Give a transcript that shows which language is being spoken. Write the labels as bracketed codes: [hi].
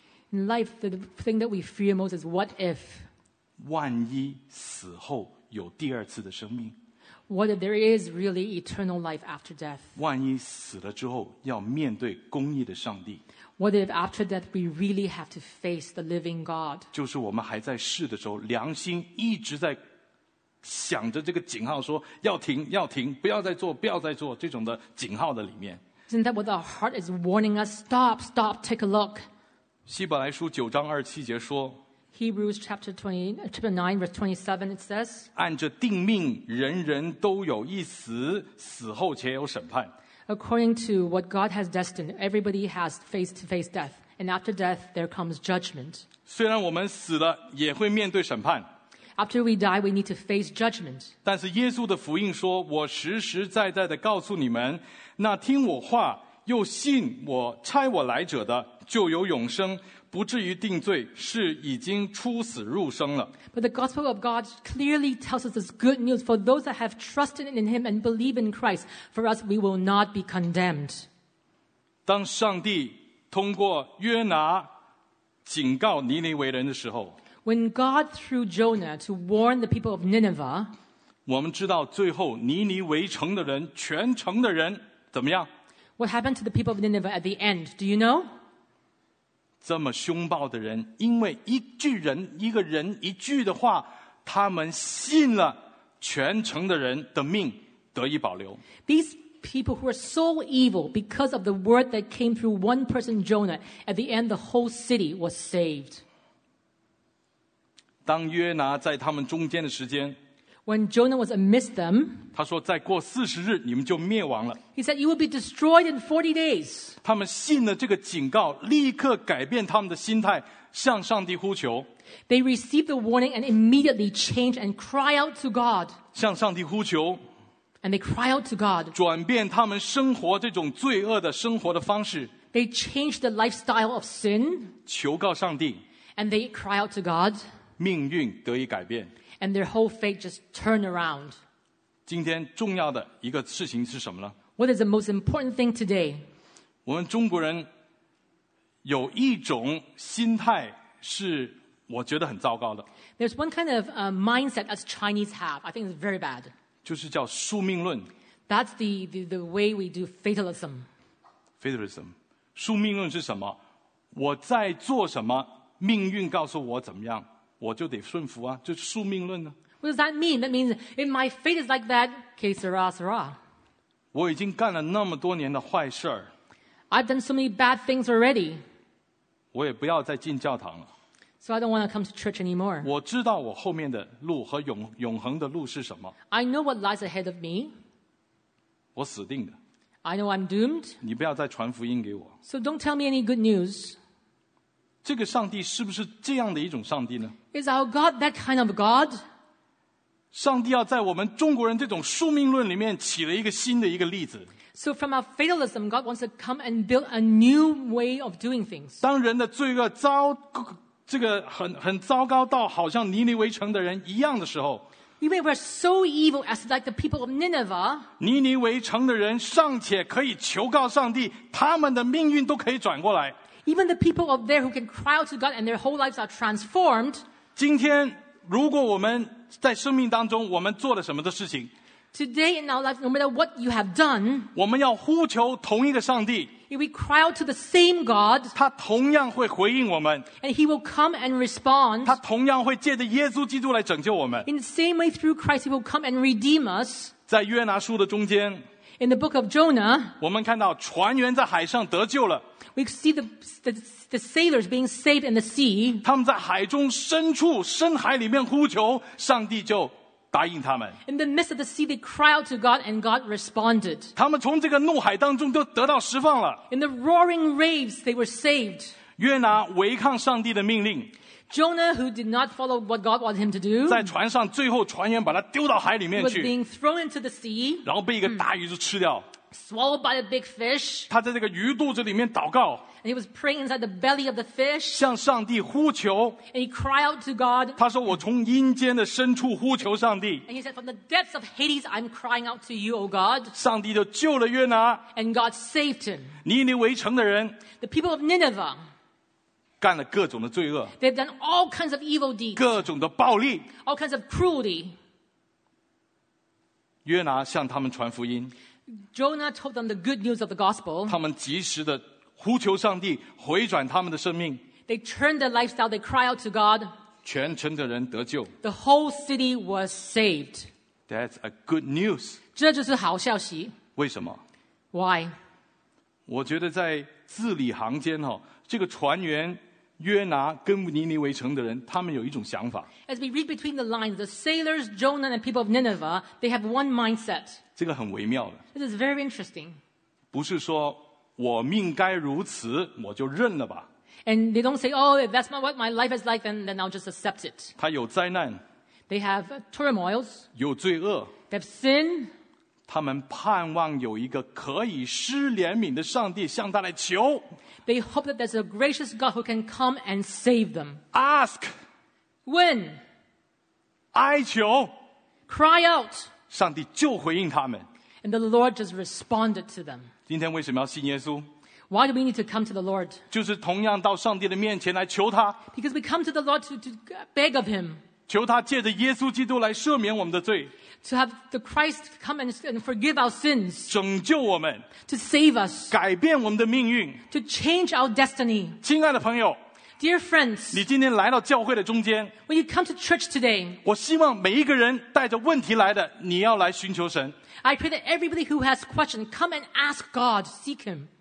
[en] In life, the thing that we fear most is what if. [zh] 万一死后有第二次的生命。 [en] What if there is really eternal life after death? [zh] 万一死了之后要面对公义的上帝。 [en] What if after death we really have to face the living God? [zh] 就是我们还在世的时候，良心一直在想着这个警号，说要停，要停，不要再做，不要再做，这种的警号的里面。 [en] Isn't that what our heart is warning us? Stop, stop, take a look. [zh] 希伯来书九章二十七节说。 [en] Hebrews chapter 9, verse 27, it says, [zh] 按着定命，人人都有一死，死后且有审判。 [en] According to what God has destined, everybody has face-to-face death, and after death, there comes judgment. [zh] 虽然我们死了，也会面对审判。 [en] After we die, we need to face judgment. [zh] 但是耶稣的福音说，我实实在在地告诉你们，那听我话，又信我差我来者的，就有永生。不至于定罪，是已经出死入生了。 [en] But the gospel of God clearly tells us this good news for those that have trusted in Him and believe in Christ. For us, we will not be condemned. [zh] 当上帝通过约拿警告尼尼微人的时候 [en] ，When God through Jonah to warn the people of Nineveh， [zh] 我们知道最后尼尼微城的人，全城的人怎么样 [en] ？What happened to the people of Nineveh at the end? Do you know？ [zh] 这么凶暴的人，因为一句人一个人一句的话，他们信了，全城的人的命得以保留。 [en] These people who are so evil because of the word that came through one person, Jonah, at the end, the whole city was saved. [zh] 当约拿在他们中间的时间 [en] ，When Jonah was amidst them, [zh] 他说：“再过四十日，你们就灭亡了。” [en] He said, "You will be destroyed in 40 days." [zh] 他们信了这个警告，立刻改变他们的心态，向上帝呼求。 [en] They received the warning and immediately changed and cry out to God. [zh] 向上帝呼求。 [en] And they cry out to God. [zh] 转变他们生活这种罪恶的生活的方式。 [en] They changed the lifestyle of sin. [zh] 求告上帝。 [en] And they cry out to God. [zh] 命运得以改变。 [en] And their whole fate just turned around. [zh] 今天重要的一个事情是什么呢？ [en] What is the most important thing today? [zh] 我们中国人有一种心态是我觉得很糟糕的。 [en] There's one kind of mindset as Chinese have. I think it's very bad. [zh] 就是叫宿命论。 [en] That's the way we do fatalism. [zh] Fatalism. 宿命论是什么？我在做什么，命运告诉我怎么样，我就得顺服啊，就是宿命论呢。 [en] What does that mean? That means if my fate is like that, [es] que sera, sera. [zh] 我已经干了那么多年的坏事儿。 [en] I've done so many bad things already. [zh] 我也不要再进教堂了。 [en] So I don't want to come to church anymore. [zh] 我知道我后面的路和永恒的路是什么。 [en] I know what lies ahead of me. [zh] 我死定的。 [en] I know I'm doomed. [zh] 你不要再传福音给我。 [en] So don't tell me any good news. [zh] 这个上帝是不是这样的一种上帝呢？ [en] Is our God that kind of God? [zh] 上帝要在我们中国人这种宿命论里面起了一个新的一个例子。 [en] So from our fatalism, God wants to come and build a new way of doing things. [zh] 当人的罪恶糟，这个很糟糕到好像尼尼微城的人一样的时候。因为 [en] we're so evil as like the people of Nineveh. [zh] 尼尼微城的人尚且可以求告上帝，他们的命运都可以转过来。 [en] Even the people of there who can cry out to God and their whole lives are transformed. [zh] 今天如果我们在生命当中，我们做了什么的事情？ [en] Today in our life, no matter what you have done, [zh] 我们要呼求同一个上帝。 [en] If we cry out to the same God, [zh] 他同样会回应我们。 [en] And he will come and respond. [zh] 他同样会借着耶稣基督来拯救我们。 [en] In the same way through Christ, he will come and redeem us. [zh] 在约拿书的中间。 [en] In the book of Jonah, [zh] 我们看到船员在海上得救了。 [en] We see the sailors being saved in the sea. [zh] 他们在海中深处，深海里面呼求，上帝就答应他们。 [en] In the midst of the sea, they cry out to God, and God responded. [zh] 他们从这个怒海当中都得到释放了。 [en] In the roaring waves, they were saved. [zh] 约拿违抗上帝的命令。 [en] Jonah, who did not follow what God wanted him to do, [zh] 在船上最后船员把他丢到海里面去。 [en] Was being thrown into the sea. [zh] 然后被一个大鱼就吃掉。 [en] Swallowed by a big fish. [zh] 他在这个鱼肚子里面祷告。 [en] And he was praying inside the belly of the fish. [zh] 向上帝呼求。 [en] And he cried out to God. [zh] 他说我从阴间的深处呼求上帝。 [en] And he said, from the depths of Hades, I'm crying out to you, O God. [zh] 上帝就救了约拿。 [en] And God saved him. [zh] 尼尼微城的人。 [en] The people of Nineveh. [zh] 干了各种的罪恶。 [en] They've done all kinds of evil deeds. [zh] 各种的暴力。 [en] All kinds of cruelty. [zh] 约拿向他们传福音。 [en] Jonah told them the good news of the gospel. [zh] 他们及时地呼求上帝回转他们的生命。 [en] They turned their lifestyle. They cry out to God. [zh] 全城的人得救。 [en] The whole city was saved. That's a good news. [zh] 这就是好消息。为什么？ [en] Why? [zh] 我觉得在字里行间，这个船员约拿跟尼尼微城的人，他们有一种想法。 [en] As we read between the lines, the sailors, Jonah, and people of Nineveh, they have one mindset. [zh] 这个很微妙的。 [en] This is very interesting. [zh] 不是说我命该如此，我就认了吧。 [en] And they don't say, "Oh, if that's what my life is like, then I'll just accept it." [zh] 他有灾难。 [en] They have turmoils. [zh] 有罪恶。 [en] They have sin. [zh] 他们盼望有一个可以施怜悯的上帝向他来求。 [en] They hope that there's a gracious God who can come and save them. Ask. When? [zh] 哀求。 [en] Cry out. [zh] 上帝就回应他们。 [en] And the Lord just responded to them. [zh] 今天为什么要信耶稣？ [en] Why do we need to come to the Lord? [zh] 就是同样到上帝的面前来求他。 [en] Because we come to the Lord to beg of him. [zh] 求他借着耶稣基督来赦免我们的罪。 [en] To have the Christ come and forgive our sins. [zh] 拯救我们。 [en] To save us. [zh] 改变我们的命运。 [en] To change our destiny. [zh] 亲爱的朋友。 [en] Dear friends. [zh] 你今天来到教会的中间。 [en] When you come to church today. [zh] 我希望每一个人带着问题来的，你要来寻求神。 [en] I pray that everybody who has questions, come and ask God, seek him.